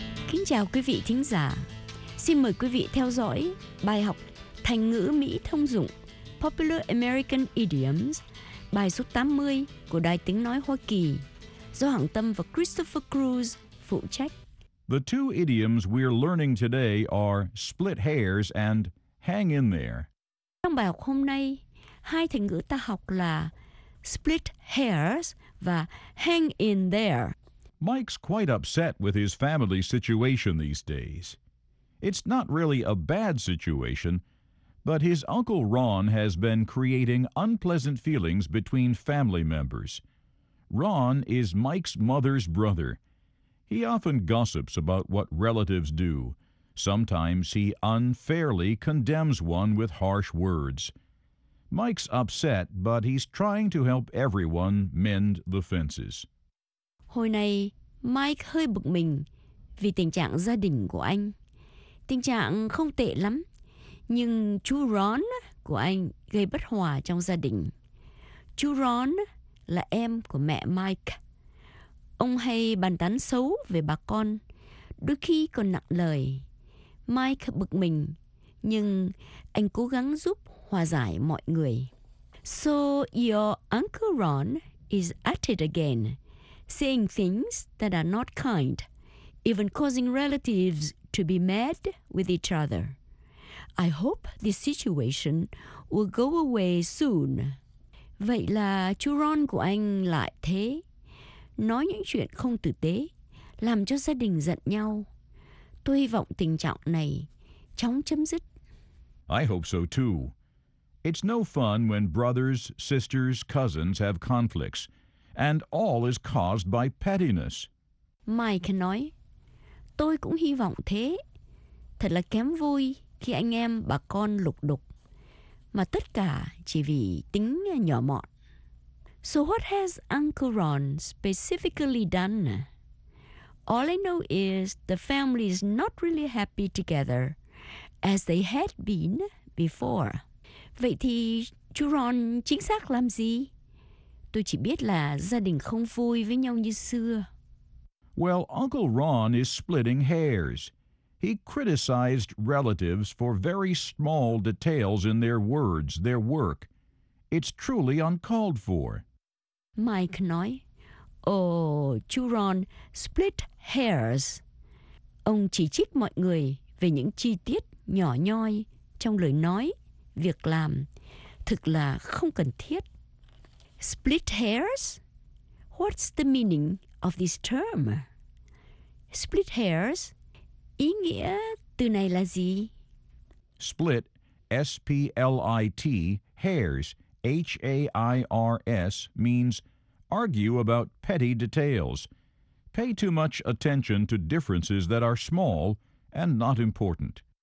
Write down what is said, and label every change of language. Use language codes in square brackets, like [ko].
[vi] Kính chào quý vị thính giả. Xin mời quý vị theo dõi bài học Thành ngữ Mỹ thông dụng [en] Popular American Idioms, [vi] bài số 80 của Đài Tiếng Nói Hoa Kỳ, do Hằng Tâm và Christopher Cruz phụ phụ trách. [en] The two idioms we're learning today are split hairs and hang in there. [vi] Trong bài học hôm nay, hai thành ngữ ta học là [en] split hairs [vi] và [en] hang in there. Mike's quite upset with his family situation these days. It's not really a bad situation, but his uncle Ron has been creating unpleasant feelings between family members. Ron is Mike's mother's brother. He often gossips about what relatives do. Sometimes he unfairly condemns one with harsh words. Mike's upset, but he's trying to help everyone mend the fences. [vi] Hồi này, Mike hơi bực mình vì tình trạng gia đình của anh. Tình trạng không tệ lắm, nhưng chú Ron của anh gây bất hòa trong gia đình. Chú Ron là em của mẹ Mike. Ông hay bàn tán xấu về bà con, đôi khi còn nặng lời. Mike bực mình, nhưng anh cố gắng giúp hòa giải mọi người. [en] So your Uncle Ron is at it again, saying things that are not kind, even causing relatives to be mad with each other. I hope this situation will go away soon. [vi] Vậy là chú Ron của anh lại thế, nói những chuyện không tử tế, làm cho gia đình giận nhau. Tôi hy vọng tình trạng này chóng chấm dứt. [en] I hope so too. It's no fun when brothers, sisters, cousins have conflicts, and all is caused by pettiness. [vi] Mike nói, tôi cũng hy vọng thế. Thật là kém vui khi anh em bà con lục đục, mà tất cả chỉ vì tính nhỏ mọn. [en] So what has Uncle Ron specifically done? All I know is the family is not really happy together, as they had been before. [vi] Vậy thì chú Ron chính xác làm gì? Tôi chỉ biết là gia đình không vui với nhau như xưa. [en] Well, Uncle Ron is splitting hairs. He criticized relatives for very small details in their words, their work. It's truly uncalled for. [vi] Mike nói, chú Ron [en] split hairs. [vi] Ông chỉ trích mọi người về những chi tiết nhỏ nhoi trong lời nói, việc làm. Thực là không cần thiết. [en] Split hairs? What's the meaning of this term? Split hairs, [vi] ý nghĩa từ này là gì? [en] Split, S-P-L-I-T, hairs, H-A-I-R-S, means argue about petty details. Pay too much attention to differences that are small and not important.